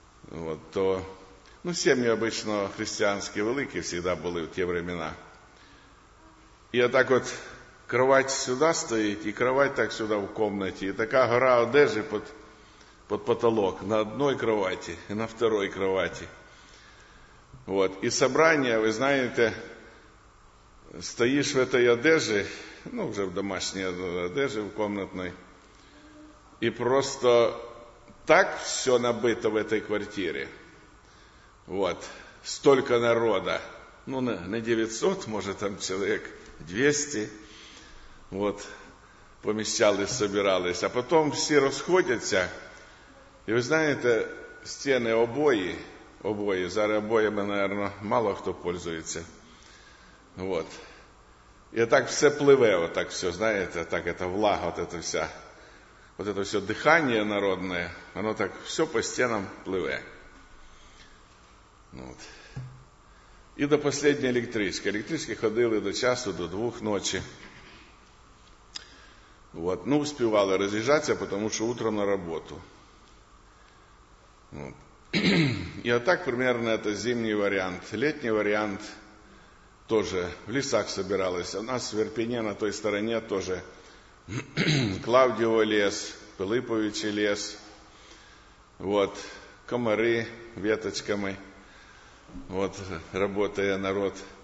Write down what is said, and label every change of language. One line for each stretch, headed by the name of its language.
Ukrainian: Вот, то, ну, сім'ї обычно християнські великі всегда були в ті времена. І отак от кровать сюди стоїть, і кровать так сюди в кімнаті, і така гора одежі під потолок, на одній кроваті, і на второй кроваті. Вот.
Russian: И собрание, вы знаете, стоишь в этой одежде, ну, уже в домашней одежде, в комнатной, и просто так все набито в этой квартире, вот, столько народа, ну, не 900, может, там человек 200, вот, помещались, собирались, а потом все расходятся, и вы знаете, стены, обои, обої.
Ukrainian: Зараз обоями, наверное, мало хто пользується. Вот. І так все пливе, отак все, знаєте, так ця влага, от ця вся, от це все дихання народне, воно так все по стінам пливе. Вот. І до останньої електрички. Електрички ходили до часу, до двох ночі. Вот. Ну, успівали роз'їжджатися, тому що утро на роботу. Вот.
Russian: И вот так примерно это зимний вариант. Летний вариант тоже в лесах собирались. У нас в Ирпене на той стороне тоже Клавдиево лес, Пилиповичи лес. Вот, комары веточками. Вот, работая народ.